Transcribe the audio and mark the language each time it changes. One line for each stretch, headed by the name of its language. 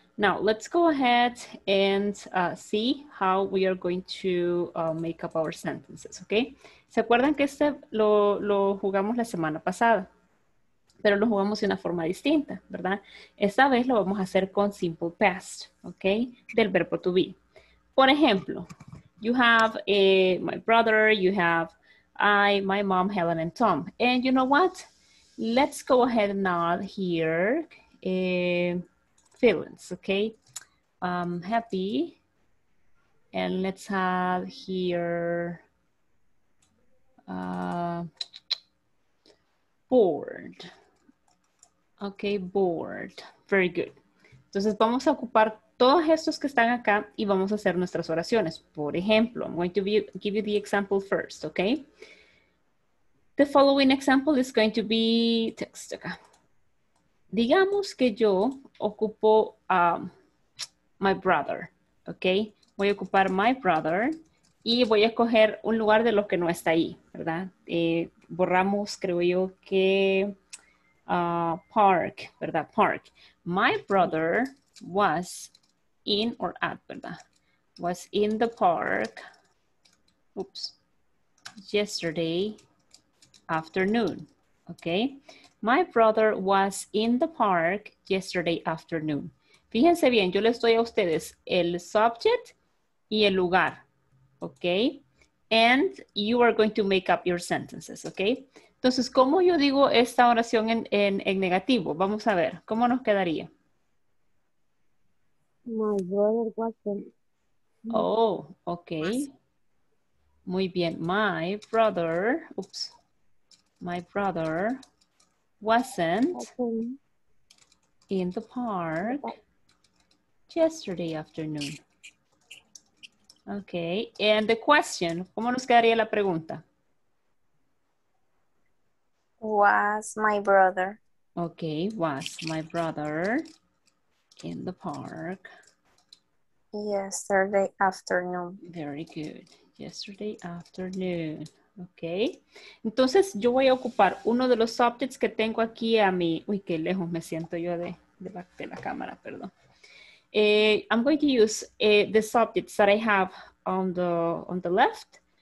English: Now, let's go ahead and see how we are going to make up our sentences, okay?
Spanish: ¿Se acuerdan que este lo jugamos la semana pasada? Pero lo jugamos de una forma distinta, ¿verdad? Esta vez lo vamos a hacer con simple past, okay? Del verbo to be. Por ejemplo,
English: you have my brother, you have I, my mom, Helen, and Tom. And you know what? Let's go ahead and add here feelings, okay? I'm happy. And let's add here bored. Okay, bored. Very good.
Spanish: Entonces vamos a ocupar todos estos que están acá y vamos a hacer nuestras oraciones. Por ejemplo,
English: I'm going to give you the example first, okay? The following example is going to be text acá.
Spanish: Digamos que yo ocupo
English: my brother,
Spanish: okay? Voy a ocupar
English: my brother
Spanish: y voy a escoger un lugar de los que no está ahí, ¿verdad? Borramos, creo yo, que park, ¿verdad? Park.
English: My brother was in or at, ¿verdad? Was in the park, oops, yesterday afternoon, okay? My brother was in the park yesterday afternoon.
Spanish: Fíjense bien, yo les doy a ustedes el subject y el lugar, okay?
English: And you are going to make up your sentences, okay?
Spanish: Entonces, ¿cómo yo digo esta oración en negativo? Vamos a ver, ¿cómo nos quedaría?
English: My brother wasn't. Oh, okay.
Spanish: Muy bien.
English: My brother, oops. My brother wasn't in the park yesterday afternoon.
Spanish: Okay.
English: And the question,
Spanish: ¿cómo nos quedaría la pregunta?
English: Was my brother. Okay. Was my brother in the park? Yesterday afternoon. Very good. Yesterday afternoon. Okay.
Spanish: Entonces, yo voy a ocupar uno de los subjects que tengo aquí a mi... Uy, qué lejos me siento yo de la cámara, perdón.
English: I'm going to use the subjects that I have on the left.